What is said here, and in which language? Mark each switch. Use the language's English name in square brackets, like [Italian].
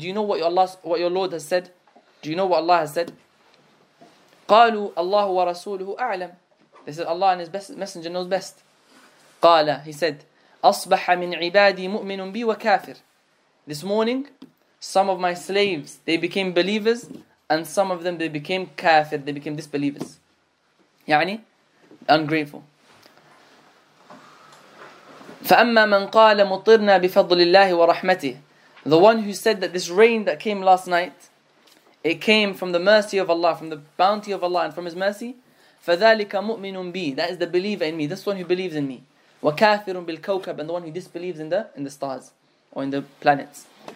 [English] Do you know what your Lord has said? Do you know what Allah has said? [Arabic] قالوا الله ورسوله أعلم. [English] They said Allah and His Messenger knows best. [Arabic] قال, [English] he said, [Arabic] أصبح من عبادي مؤمن بي وكافر. [English] This morning, some of my slaves, they became believers, and some of them, they became كافر, they became disbelievers. يعني, ungrateful. [Arabic] فأما من قال مطرنا بفضل الله ورحمته, [English] the one who said that this rain that came last night, it came from the mercy of Allah, from the bounty of Allah, and from His mercy, [Arabic] فذلك مؤمن بي, [English] that is the believer in me, this one who believes in me, [Arabic] وكافر بالكوكب, [English] and the one who disbelieves in the stars or in the planets.